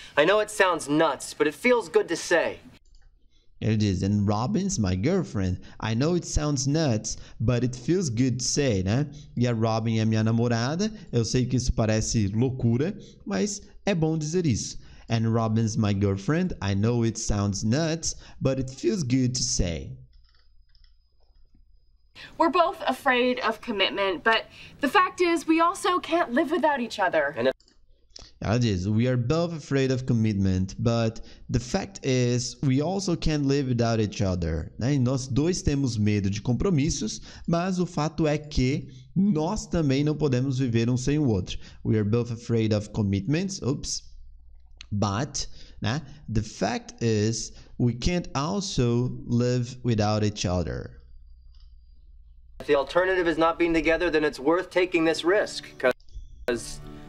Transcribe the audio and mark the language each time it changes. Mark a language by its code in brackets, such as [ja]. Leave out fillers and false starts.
[en] I know it sounds nuts, but it feels good to say. [pt] Ele diz, [en] and Robin's my girlfriend. I know it sounds nuts, but it feels good to say, né? [pt] E a Robin é minha namorada. Eu sei que isso parece loucura, mas é bom dizer isso. [en] And Robin's my girlfriend. I know it sounds nuts, but it feels good to say. We're both afraid of commitment, but the fact is we also can't live without each other. [pt] Ela diz, [en] we are both afraid of commitment, but the fact is, we also can't live without each other. Né? [pt] Nós dois temos medo de compromissos, mas o fato é que nós também não podemos viver um sem o outro. [en] We are both afraid of commitments, oops, but né? The fact is, we can't also live without each other. If the alternative is not being together, then it's worth taking this risk, because...